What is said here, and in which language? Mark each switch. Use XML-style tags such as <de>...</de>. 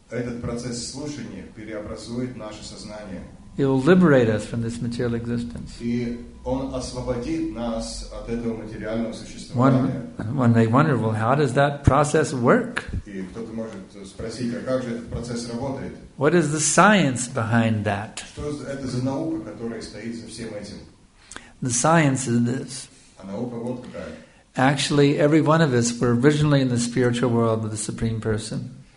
<ru>Этот процесс слушания преобразует наше сознание.</ru> <en>It will liberate us from this material existence.</en> <ru>И он освободит нас от этого материального существования.</ru> <en>One may wonder, well, how does that process work?</en> <ru>И кто-то может спросить, а как же этот процесс работает?</ru> <en>What is the science behind that?</en> <ru>Что это за наука, которая стоит за всем этим?</ru> <en>The science is this.</en> <ru>А наука вот какая.</ru> <en>Actually, every one of us were originally in the spiritual world of the Supreme Person.</en>